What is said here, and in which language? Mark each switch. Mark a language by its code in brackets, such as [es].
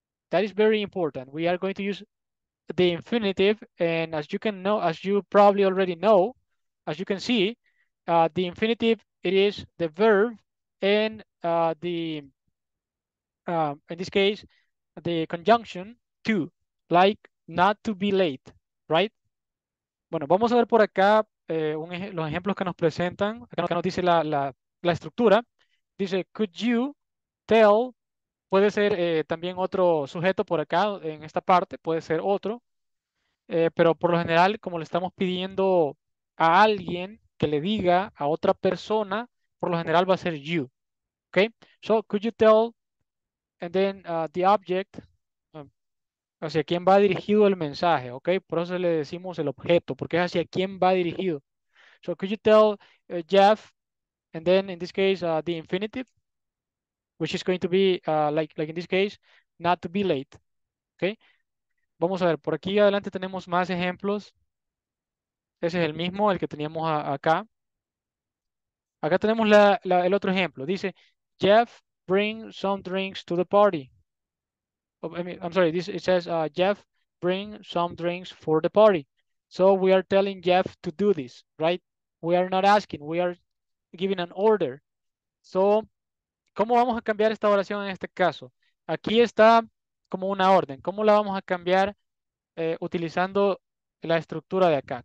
[en] That is very important. We are going to use the infinitive, and as you can know, as you probably already know, as you can see, the infinitive, it is the verb and the, in this case, the conjunction to, like not to be late, right? [es] Bueno, vamos a ver por acá los ejemplos que nos presentan. Acá nos dice la estructura. Dice, [en] could you tell, [es] puede ser también otro sujeto por acá en esta parte, puede ser otro. Pero por lo general, como le estamos pidiendo a alguien que le diga a otra persona, por lo general va a ser you. Okay? [en] So, could you tell, and then the object, [es] hacia quién va dirigido el mensaje, [en] okay? [es] Por eso le decimos el objeto, porque es hacia quién va dirigido. [en] So, could you tell Jeff, and then in this case, the infinitive, which is going to be, like in this case, not to be late. Okay? [es] Vamos a ver, por aquí adelante tenemos más ejemplos. Ese es el mismo, el que teníamos acá. Acá tenemos el otro ejemplo. [en] Dice, Jeff, bring some drinks to the party. Oh, I'm sorry, it says, Jeff, bring some drinks for the party. So we are telling Jeff to do this, right? We are not asking, we are giving an order. [es] So, ¿cómo vamos a cambiar esta oración en este caso? Aquí está como una orden. ¿Cómo la vamos a cambiar utilizando la estructura de acá?